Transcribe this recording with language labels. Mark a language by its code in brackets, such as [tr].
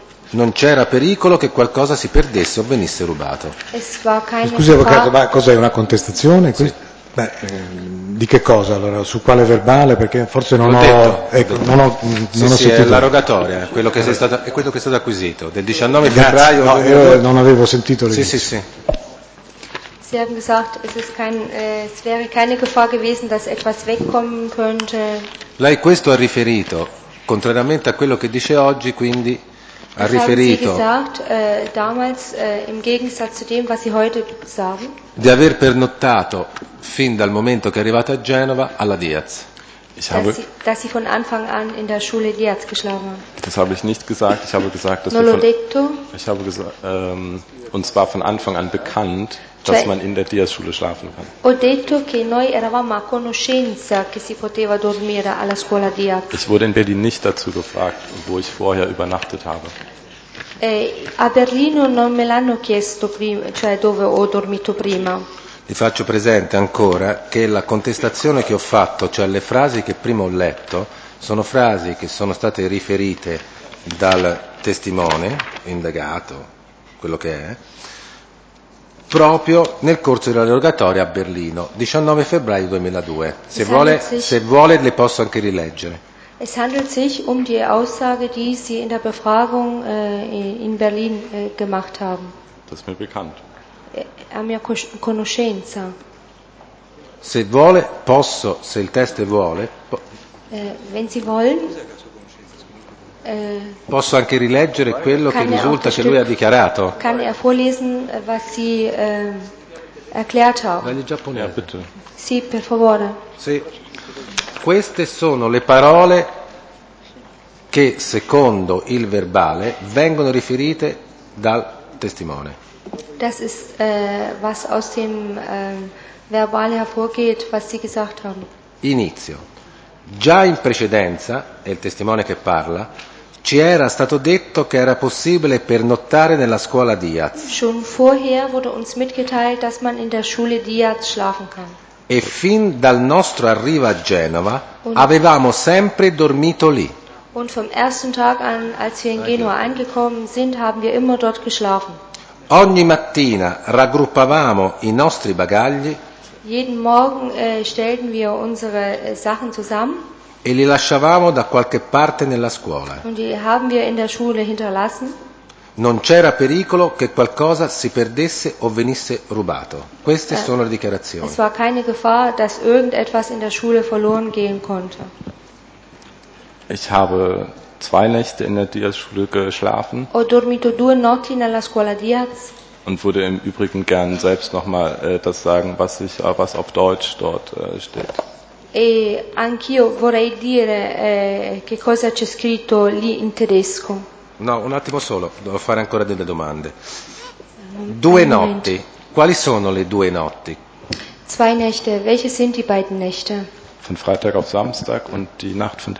[it] Non c'era pericolo che qualcosa si perdesse o venisse rubato. Scusi, avvocato, ma cos'è una contestazione? Sì. Beh, di che cosa allora? Su quale verbale? Perché forse non ho detto. Non ho sentito. Sì, è la rogatoria, quello che è stato acquisito. Del 19 febbraio. No, io non avevo sentito l'inizio. Sì, sì, sì. [de] Sie haben gesagt, es wäre keine Gefahr gewesen, dass etwas wegkommen könnte. [it] Lei questo ha riferito. Contrariamente a quello che dice oggi, quindi ha riferito di aver pernottato fin dal momento che è arrivata a Genova alla Diaz. [de] Dass sie von Anfang an in der Schule Diaz geschlafen haben. Das habe ich nicht gesagt. Ich habe gesagt, dass uns war von Anfang an bekannt, dass man in der Diaz-Schule schlafen kann. [it] Ho detto che noi eravamo a conoscenza che si poteva dormire alla scuola Diaz. [de] Ich wurde in Berlin nicht dazu gefragt, wo ich vorher übernachtet habe. [it] A Berlino non me l'hanno chiesto prima, cioè dove ho dormito prima. Vi faccio presente ancora che la contestazione che ho fatto, cioè le frasi che prima ho letto, sono frasi che sono state riferite dal testimone, indagato, quello che è, proprio nel corso della rogatoria a Berlino, 19 febbraio 2002. Se vuole le posso anche rileggere. [de] Es handelt sich um die Aussage, die Sie in der Befragung in Berlin gemacht haben. Das ist mir bekannt. [it] A mia conoscenza. Se vuole, posso, se il test vuole. [de] Wenn Sie wollen. [it] Posso anche rileggere quello che risulta che lui ha dichiarato. [de] Kann er vorlesen, was Sie erklärt haben. [it] Dagli giapponesi, [de] bitte. [it] Sì, per favore. Sì. Queste sono le parole che, secondo il verbale, vengono riferite dal testimone. [de] Das ist was aus dem Verbale hervorgeht, was Sie gesagt haben. [it] Inizio. Già in precedenza, è il testimone che parla, ci era stato detto che era possibile pernottare nella scuola Diaz. [de] Schon vorher wurde uns mitgeteilt, dass man in der Schule Diaz schlafen kann. [it] E fin dal nostro arrivo a Genova avevamo sempre dormito lì. [de] Und vom ersten Tag an, als wir in Genua angekommen sind, haben wir immer dort geschlafen. [it] Ogni mattina raggruppavamo i nostri bagagli. [de] Jeden Morgen stellten wir unsere Sachen zusammen. [it] E li lasciavamo da qualche parte nella scuola. [de] Und die haben wir in der Schule hinterlassen. [it] Non c'era pericolo che qualcosa si perdesse o venisse rubato. Queste sono le dichiarazioni. [de] Es war keine Gefahr, dass irgendetwas in der Schule verloren gehen konnte. Ich habe zwei Nächte in der Diaz-Schule geschlafen. [it] Ho dormito due notti nella scuola Diaz. [de] und würde im Übrigen gern selbst nochmal das sagen, was ich, was auf Deutsch dort steht. [it] E anch'io vorrei dire che cosa c'è scritto lì in tedesco. No, un attimo solo, devo fare ancora delle domande. Due notti, quali sono le due notti? [de] Zwei Nächte, welche sind die beiden Nächte? Von Freitag auf Samstag und die Nacht von